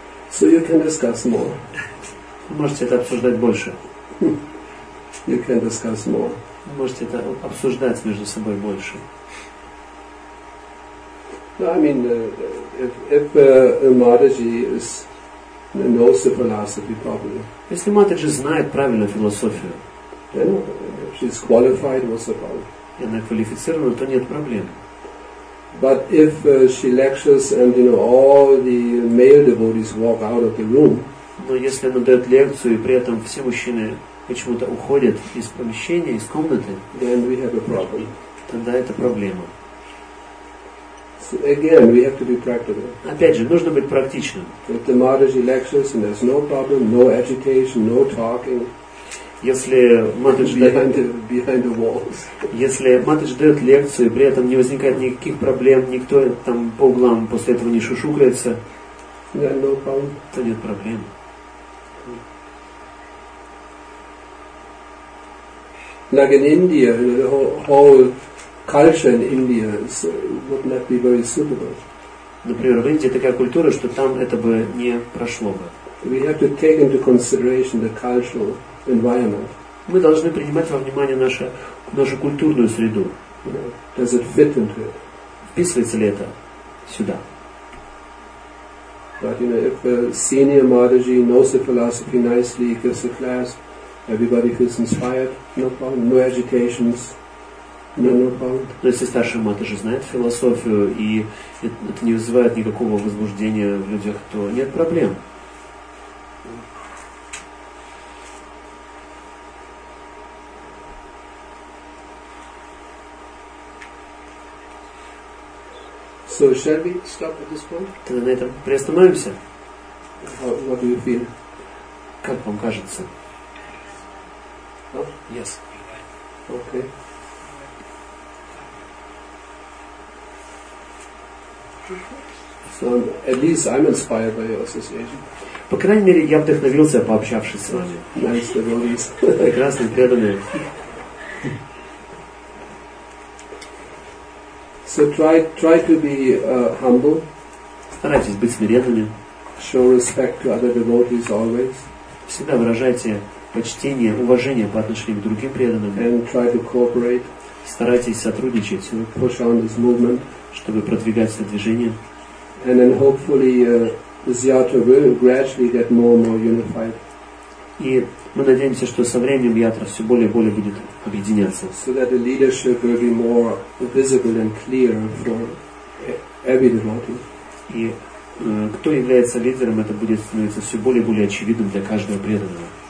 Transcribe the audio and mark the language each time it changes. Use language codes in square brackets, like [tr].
[en] So you can discuss more. [ru] Можете это обсуждать больше. [en] You can discuss more. [ru] Можете это обсуждать между собой больше. [en] No, I mean, if Mataji is knows the philosophy properly. [ru] Если Матаджи знает правильно философию, [en] then she's qualified, what's the problem? [ru] И она квалифицирована, то нет проблем. [en] But if she lectures and, you know, all the male devotees walk out of the room. [ru] Но если она дает лекцию и при этом все мужчины почему-то уходят из помещения, из комнаты. [en] Then we have a problem. [ru] Тогда это проблема. [en] So again, we have to be practical. [ru] Опять же, нужно быть практичным. [en] If the Mataji lectures and there's no problem, no agitation, no talking. [ru] Если Матадж дает лекцию, и при этом не возникает никаких проблем, никто там по углам после этого не шушукается, [en] yeah, no problem. [ru] То нет проблем. [en] Like in India, the whole culture in India would not be very suitable. [ru] Например, в Индии такая культура, что там это бы не прошло бы. [en] We have to take into consideration the cultural environment. [ru] Мы должны принимать во внимание нашу культурную среду. [en] Does it fit into it? [ru] Вписывается ли это сюда? [en] But you know, if a senior Mataji knows the philosophy nicely, gives a class, everybody feels inspired, no problem, no agitations, no problem. [ru] Но если старший Матаджи знает философию и это не вызывает никакого возбуждения в людях, то нет проблем. [en] So shall we stop at this point? [ru] Тогда на этом приостановимся? [en] What do you feel? [ru] Как вам кажется? [en] Oh? Yes. Okay. So at least I'm inspired by your association. [ru] По крайней мере, я вдохновился, пообщавшись с вами. [en] Nice to know this. [ru] Прекрасный, преданный. [en] So try to be humble. [ru] Старайтесь быть смиренными. [en] Show respect to other devotees always. [ru] Всегда выражайте почтение, уважение по отношению к другим преданным. [en] And try to cooperate. [ru] Старайтесь сотрудничать. [en] And push on this movement. [ru] Чтобы продвигать это движение. [en] And then hopefully Yatra will gradually get more and more unified. [ru] И мы надеемся, что со временем Ятра все более и более будет объединяться. [en] So that the leadership will be more visible and clear for every devotee. [ru] И кто является лидером, это будет становиться все более и более очевидным для каждого преданного.